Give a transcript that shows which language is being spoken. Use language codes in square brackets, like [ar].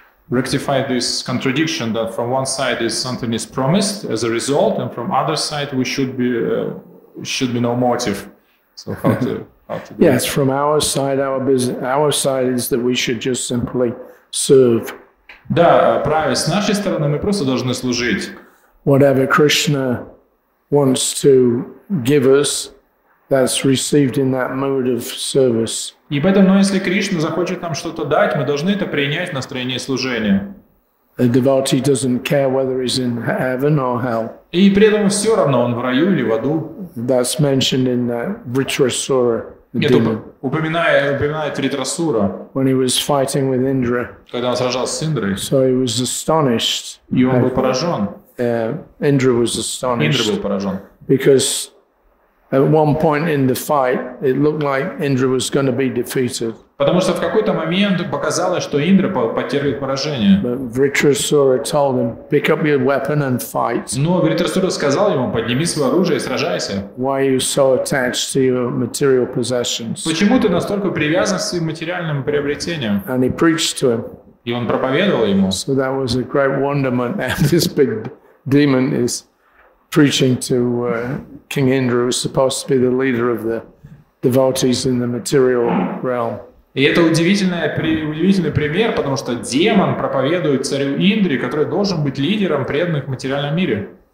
[en] rectify this contradiction that from one side is something is promised as a result, and from other side we should be no motive. So how to do yes, that? From our side, our side is that we should just simply serve. [ru] Да, правильно. С нашей стороны мы просто должны служить. [en] Whatever Krishna wants to give us, that's received in that mode of service. [ru] И поэтому, но если Кришна захочет нам что-то дать, мы должны это принять в настроении служения. [en] A devotee doesn't care whether he's in heaven or hell. [ru] И при этом все равно, он в раю или в аду. [en] That's mentioned in that Ritrasura. [ru] Упоминает Ритрасура. [en] When he was fighting with Indra. [ru] Когда он сражался с Индрой. [en] So he was astonished. [ru] И он был поражен. [en] Indra was astonished. [ru] Индра был поражен. [en] Because at one point in the fight, it looked like Indra was going to be defeated. [ru] Потому что в какой-то момент показалось, что Индра потерпит поражение. [en] But Ritrasura told him, pick up your weapon and fight. [ru] Но Ритрасура сказал ему, подними свое оружие и сражайся. [en] Why are you so attached to your material possessions? [ru] Почему ты настолько привязан к своим материальным приобретениям? [en] And he preached to him. [ru] И он проповедовал ему. [en] So that was a great wonderment, and this big demon is preaching to King Indra, who's supposed to be the leader of the devotees in the material realm. [ru] И это удивительный пример, потому что демон проповедует царю Индре, который должен быть лидером преданных в материальном мире.